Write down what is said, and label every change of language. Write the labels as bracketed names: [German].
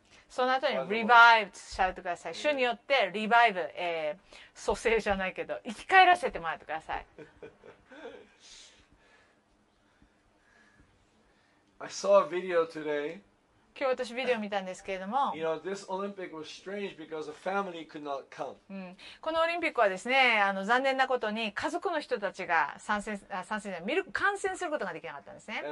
[Japanese] その後に revived しちゃうとください。主によって revive、蘇生じゃないけど生き返らせてもらってください。 [English] I saw a video today. [Japanese] 今日私ビデオ見たんですけれども。 [English] You know, this Olympic was strange because a family could not come. [Japanese] うん、このオリンピックはですね、あの残念なことに家族の人たちが観戦することができなかったんですね。